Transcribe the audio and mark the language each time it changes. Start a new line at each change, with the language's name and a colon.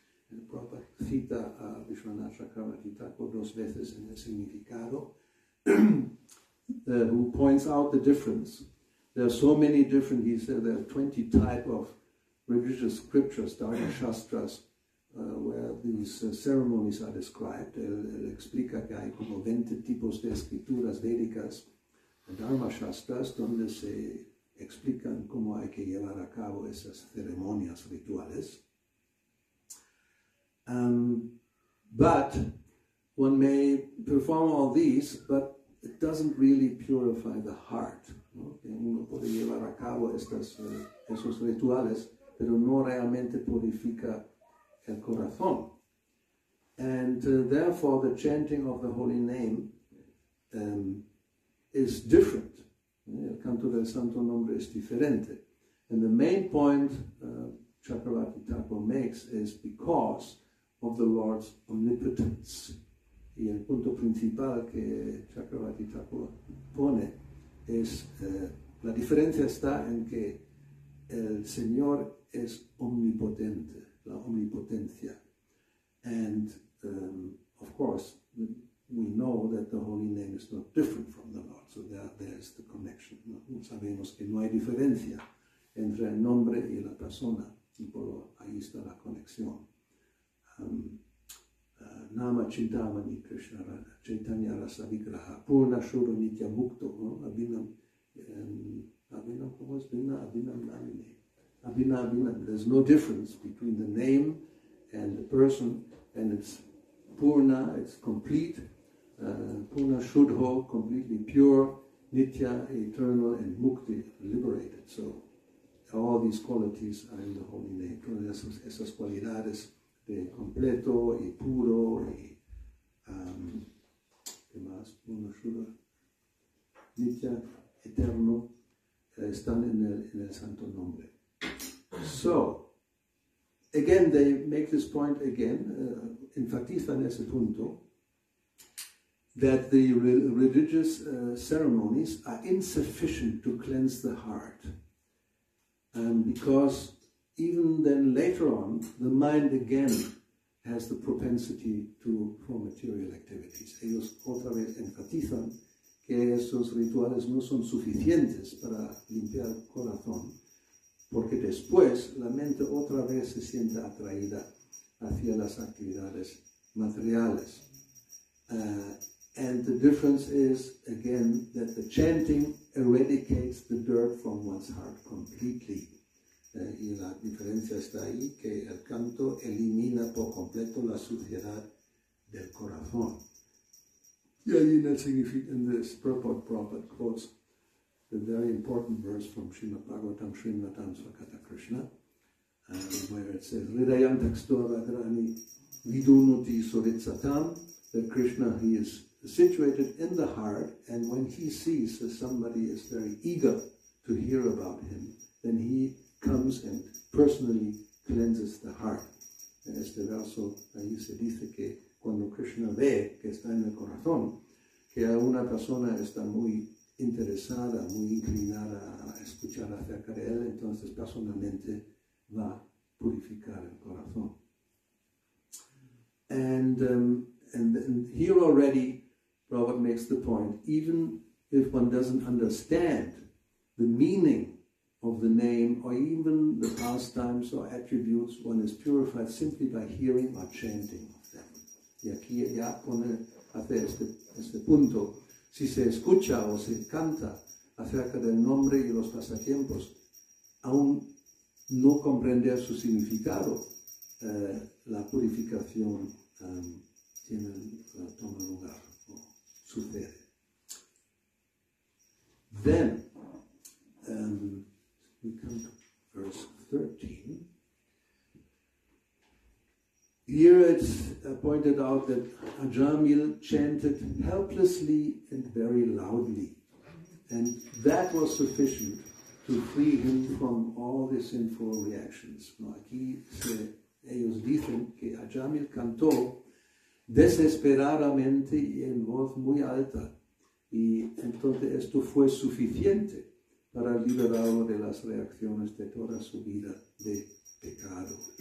English: And the Prabhupada
Spanish: cita a
English: Vishwanath Chakravarti Thakur
Spanish: 2 veces en el significado,
English: who points out the difference. There are so many different, he said, there are 20 type of religious scriptures, Dharma Shastras, where these ceremonies are described.
Spanish: Él explica que hay como 20 tipos de escrituras védicas, Dharma Shastras, donde se explican cómo hay que llevar a cabo esas ceremonias rituales.
English: But one may perform all these, but it doesn't really purify the heart.
Spanish: Uno puede llevar a cabo esos rituales, pero no realmente purifica el corazón.
English: And therefore the chanting of the holy name is different.
Spanish: El canto del santo nombre es diferente.
English: And the main point Chakravarti Thakur makes is because of the Lord's omnipotence.
Spanish: Y el punto principal que Chakravarti Thakur pone es la diferencia está en que el Señor es omnipotente, la omnipotencia.
English: And of course, we know that the Holy Name is not different from the Lord, so there's the connection.
Spanish: Sabemos que no hay diferencia entre el nombre y la persona, y por ahí está la conexión.
Sanskrit: Nama Chintamani Krishna Rana Chaitanya Rasa Vigraha Purna Shura Nitya Mukto Abhinam Abhinam Kavas Bina Abhinam Namine Abhinam Abhinam.
English: There's no difference between the name and the person, and it's Purna, it's complete. Purna Shudho, completely pure. Nitya, eternal, and Mukti, liberated. So all these qualities are in the Holy Name.
Spanish: Todas esas cualidades de completo y puro y ¿qué más? Purna Shudha, Nitya, eterno, están en el santo nombre.
English: So, again, they make this point again,
Spanish: enfatizan ese punto,
English: that the religious ceremonies are insufficient to cleanse the heart. Because even then later on, the mind again has the propensity for material activities.
Spanish: Ellos otra vez enfatizan que esos rituales no son suficientes para limpiar el corazón, porque después la mente otra vez se siente atraída hacia las actividades materiales.
English: And the difference is, again, that the chanting eradicates the dirt from one's heart completely.
Spanish: Y la diferencia está ahí, que el canto elimina por completo la suciedad del corazón. Y ahí en el
English: significado, en el purport, Prabhupada quotes the very important verse from Srimad Bhagavatam, Srimatam Svakata Krishna, where it says,
Sanskrit: Hridayam takstora grani vidunuti suritsatam,
English: that Krishna, he is situated in the heart, and when he sees that somebody is very eager to hear about him, then he comes and personally cleanses the heart.
Spanish: En este verso, ahí se dice que cuando Krishna ve que está en el corazón, que una persona está muy interesada, muy inclinada a escuchar acerca de él, entonces personalmente va a purificar el corazón.
English: And here already, Prabhupada makes the point, even if one doesn't understand the meaning of the name or even the pastimes or attributes, one is purified simply by hearing or chanting of them.
Spanish: Y aquí ya pone, hace este punto. Si se escucha o se canta acerca del nombre y los pasatiempos, aún no comprender su significado, la purificación toma lugar o sucede.
English: Then, we come to verse 13. Here it's pointed out that Ajamil chanted helplessly and very loudly, and that was sufficient to free him from all the sinful reactions.
Spanish: No, aquí ellos dicen que Ajamil cantó desesperadamente y en voz muy alta, y entonces esto fue suficiente para liberarlo de las reacciones de toda su vida de pecado.